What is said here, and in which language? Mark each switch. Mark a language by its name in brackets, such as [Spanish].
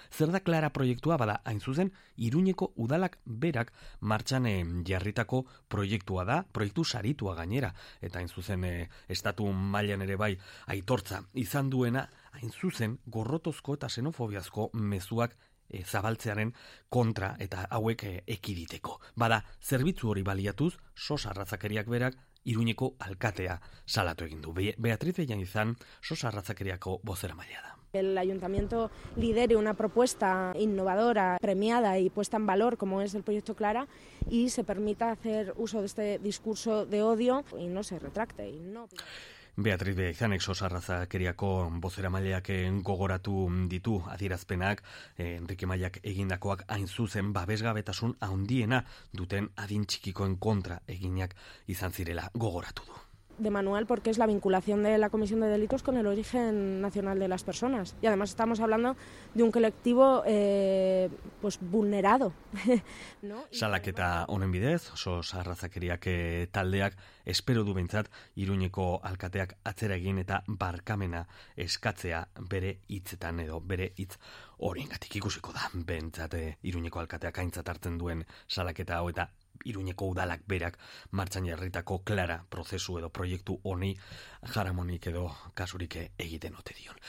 [Basque] Zer da Clara proiektua? Bada, hain zuzen, Iruñeko udalak berak martxan jarritako proiektua da, proiektu saritua gainera, eta hain zuzen estatu mailan ere bai aitortza izan duena, hain zuzen gorrotozko eta xenofobiazko mezuak zabaltzearen kontra eta hauek ekiditeko. Bada, zerbitzu hori baliatuz, Sos Arrazakeriak berak Iruñeko alkatea salatu egin du. Beatriz Bellanizan, Sos Arrazakeriako bozeramailea da. [Spanish] El ayuntamiento lidere una propuesta innovadora, premiada y puesta en valor, como es el proyecto Clara, y se permita hacer uso de este discurso de odio y no se retracte. Y no... [Basque] Beatriz Beizanek Sos Arrazakeriako bozeramaileak gogoratu ditu adierazpenak, Enrique Mayak egindakoak hain zuzen babesgabetasun handiena duten adin txikikoen kontra eginak izan zirela gogoratu du. [Spanish] De manual, porque es la vinculación de la Comisión de Delitos con el origen nacional de las personas. Y además estamos hablando de un colectivo pues vulnerado. ¿No? [Basque] Salaketa honen bidez, Sos Arrazakeriak taldeak, espero du behintzat Iruñeko alkateak atzera egin eta barkamena eskatzea bere hitzetan edo bere hitz horiengatik. Ikusiko da behintzat Iruñeko alkateak aintzat hartzen duen salaketa hau eta Iruñeko udalak berak martxan jarritako Clara prozesu edo proiektu honi jaramonik edo kasurik egiten ote dion.